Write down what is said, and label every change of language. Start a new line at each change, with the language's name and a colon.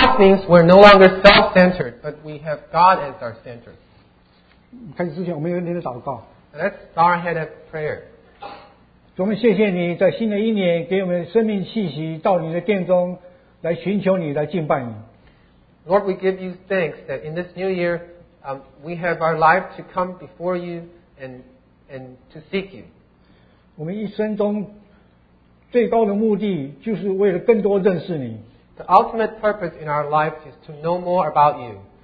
English: things, we're no longer self-centered, but we have God as our center.
Chinese: 开始之前我们有点祷告。
English: Let's bow our head at prayer.
Chinese: 主，我们谢谢你在新的一年给我们生命气息，到你的殿中来寻求你，来敬拜你。
English: Lord, we give you thanks that in this new year, we have our life to come before you and to seek you.
Chinese: 我们一生中最高的目的就是为了更多认识你。
English: The ultimate purpose in our life is to know more about you.